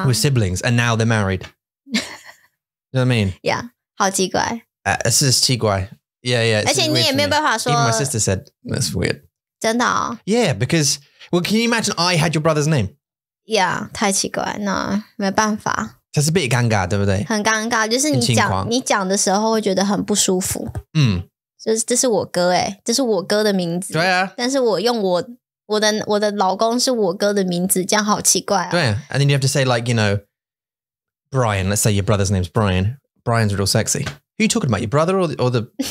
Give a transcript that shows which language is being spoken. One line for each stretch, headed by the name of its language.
English: we're siblings, and now they're married. You know what I mean?
Chinese: Yeah, 好奇怪。这是奇怪。Yeah, yeah. 而且你也没有办法说。
English: Even my sister said, that's weird.
Chinese: 真的哦。
English: Yeah, because, well, can you imagine I had your brother's name?
Chinese: Yeah, 太奇怪了，那没办法。这是
English: a bit
Chinese: 尴尬，对不对？很尴尬，就是你讲的时候会觉得很不舒服。就是这是我哥诶，这是我哥的名字。对啊。但是我用我的老公是我哥的名字，这样好奇怪啊。对啊。
English: And then you have to say like, you know, Brian, let's say your brother's name's Brian. Brian's real sexy. Are you talking about your brother or the?